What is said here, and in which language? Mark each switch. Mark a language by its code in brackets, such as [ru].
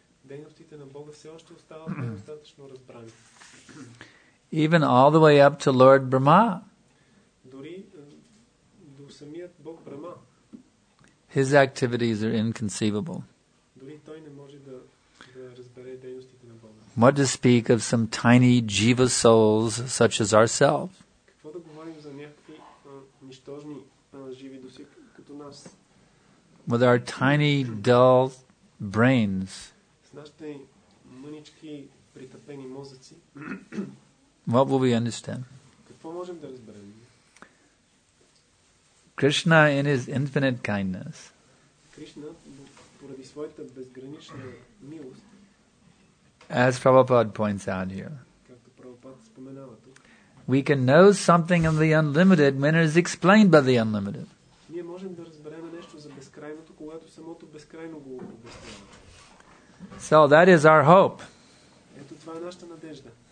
[bg] дейностите на Бога все още остават достатъчно разбрани. [en] Even all the way up to Lord Brahma. [bg] Дори до самият Бог Брама. [en] His activities are inconceivable. [bg] Дори той не може да разбере дейностите на Бога. [en] What to speak of some tiny jiva souls such as ourselves? [bg] Какво да говорим за някакви нищожни живи души като нас? [en] With our tiny, dull brains. [bg] С нашите мънички притъпени мозъци. [en] What will we understand? [bg] Какво можем да разберем? [en] Krishna in his infinite kindness. [bg] Krishna, поради своята безгранична милост. [en] As Prabhupada points out here. [bg] Както Прабхупада споменава тук. [en] We can know something of the unlimited when it is explained by the unlimited. [bg] Ние можем да разберем нещо за безкрайното, когато самото безкрайно го обяснява. [en] So that is our hope. [bg] Ето това е нашата надежда.